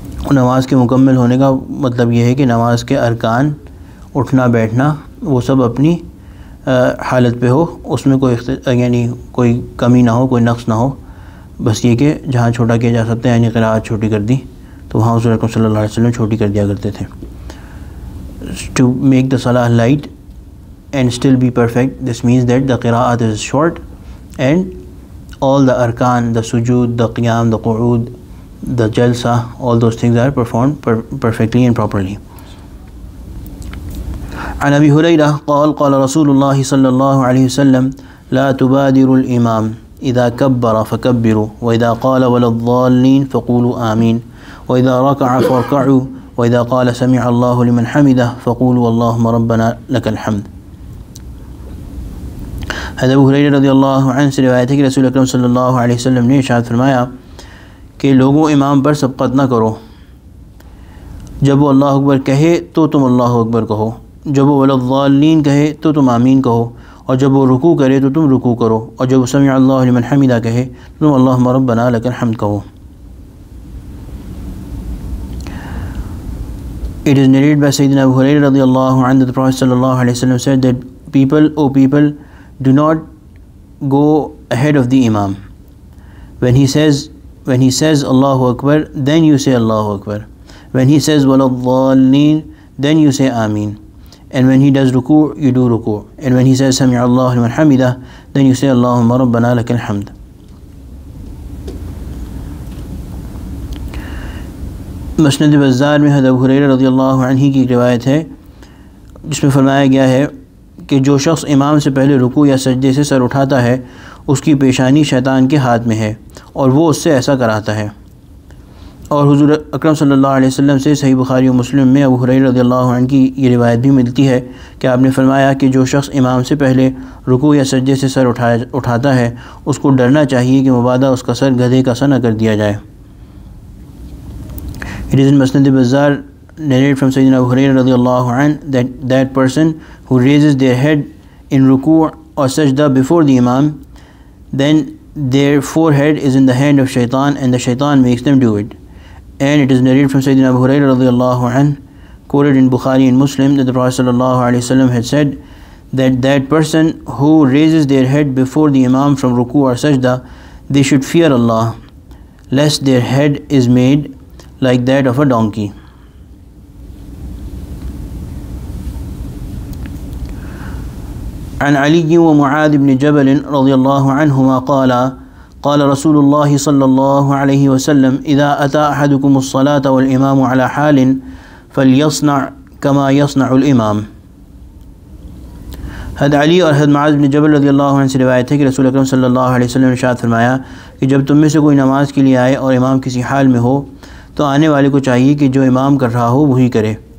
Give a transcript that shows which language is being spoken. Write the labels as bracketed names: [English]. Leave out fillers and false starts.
[Urdu] نماز کے مکمل ہونے کا مطلب یہ ہے کہ نماز کے ارکان اٹھنا بیٹھنا وہ سب اپنی حالت پہ ہو، اس میں کوئی کمی نہ ہو، کوئی نقص نہ ہو. بس یہ کہ جہاں چھوٹا کیا جا سکتا ہے یعنی قراءت چھوٹی کر دی تو وہاں حضور اکرم صلی اللہ علیہ وسلم چھوٹی کر دیا کرتے تھے. [English] To make the salah light and still be perfect, this means that the qira'at is short and all the arkan, the sujood, the qiyam, the qu'ud, the jalsa, all those things are performed perfectly and properly. [Arabic] An Abi Hurairah qala Rasulullah sallallahu alayhi wa sallam la tubadiru al-imam idha kabbara fakabbiru wa idha qala waladhalin faqulu amin wa idha raka'a farka'u وَإِذَا قَالَ سَمِعَ اللَّهُ لِمَنْ حَمِدَهُ فَقُولُوا اللَّهُمَّ رَبَّنَا لَكَ الْحَمْدُ. [Urdu] حضرت ابو ہریرہ رضی اللہ عنہ سے روایت ہے کہ رسول اکرم صلی اللہ علیہ وسلم نے ارشاد فرمایا کہ لوگوں امام پر سبقت نہ کرو، جب وہ اللہ اکبر کہے تو تم اللہ اکبر کہو، جب وہ وَلَا الضَّالِّينَ کہے تو تم آمین کہو، اور جب وہ رکوع کرے تو تم رکوع کرو، اور جب وہ سمع اللہ لمن حمدہ کہے تو تم اللہم ربنا لک الحمد کہو. [English] It is narrated by Sayyidina Abu Hurairah radiallahu anhu that the Prophet sallallahu alayhi wa sallam said that, O people, do not go ahead of the Imam. When he says Allahu Akbar, then you say Allahu Akbar. When he says Waladdallin, then you say Ameen. And when he does ruku', you do ruku'. And when he says Sami'a Allahu liman hamidah, then you say Allahumma Rabbana lakal hamd. [Urdu] مسند بزار میں حضرت ابو ہریرہ رضی اللہ عنہ کی روایت ہے جس میں فرمایا گیا ہے کہ جو شخص امام سے پہلے رکوع یا سجدے سے سر اٹھاتا ہے اس کی پیشانی شیطان کے ہاتھ میں ہے اور وہ اس سے ایسا کراتا ہے اور حضور اکرم صلی اللہ علیہ وسلم سے صحیح بخاری و مسلم میں ابو ہریرہ رضی اللہ عنہ کی یہ روایت بھی ملتی ہے کہ آپ نے فرمایا کہ جو شخص امام سے پہلے رکوع یا سجدے سے سر اٹھاتا ہے اس کو ڈرنا چاہیے کہ مبادہ اس کا سر گدھے کا سا نہ کر دیا جائے. [English] It is in Masnad al-Bazzar narrated from Sayyidina Abu Hurairah radiallahu anhu that person who raises their head in ruku' or sajda before the Imam, then their forehead is in the hand of shaitan and the shaitan makes them do it. And it is narrated from Sayyidina Abu Hurairah radiallahu anhu, quoted in Bukhari and Muslim, that the Prophet sallallahu alayhi wa sallam had said that person who raises their head before the Imam from ruku' or sajda, they should fear Allah, lest their head is made like that of a donkey. [Arabic] عن علي ومعاذ بن جبل رضي الله عنهما قال قال رسول الله صلى الله عليه وسلم إذا أتى أحدكم الصلاة والإمام على حال فليصنع كما يصنع الإمام. [Urdu] حد علی اور حد معاذ بن جبل رضی اللہ عنہ سے روایت ہے کہ رسول اکرم صلی اللہ علیہ وسلم نے ارشاد فرمایا کہ جب تم میں سے کوئی نماز کے لیے آئے اور امام کسی حال میں ہو تو آنے والے کو چاہیے کہ جو امام کر رہا ہو وہی کرے.